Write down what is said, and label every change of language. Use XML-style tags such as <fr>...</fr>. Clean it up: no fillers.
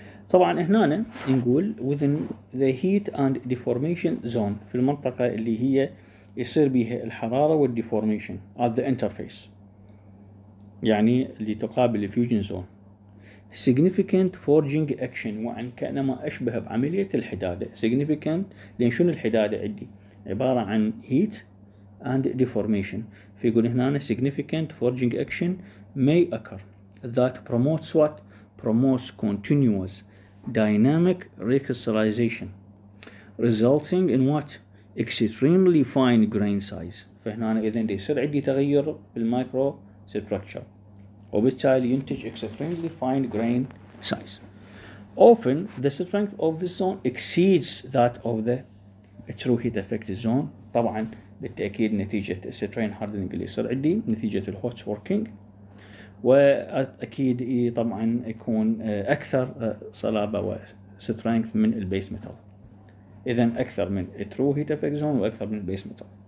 <ar>طبعا هنا نقول within the heat and deformation zone، في المنطقة اللي هي يصير بيها الحرارة والdeformation at the interface. يعني اللي تقابل الفيوجن زون. significant forging action وعن كأنما أشبه بعملية الحدادة. significant لأن شنو الحدادة عندي عبارة عن heat and deformation.</ar> <en>فيقول هنا significant forging action may occur that promotes what promotes continuous dynamic recrystallization resulting in what extremely fine grain size.</en> <ar>فهنا إذن يصير عندي تغير بالمايكرو ستراكشر وبالتالي ينتج extremely fine grain size.</ar> <en>often the strength of the zone exceeds that of the true heat effect zone.</en> <ar>طبعا بالتأكيد نتيجة strain hardening اللي يصير عندي نتيجة الhot working وأكيد طبعا يكون أكثر صلابة وstrength من البيس ميتال. إذن أكثر من true heat effect zone وأكثر من البيس ميتال.</ar>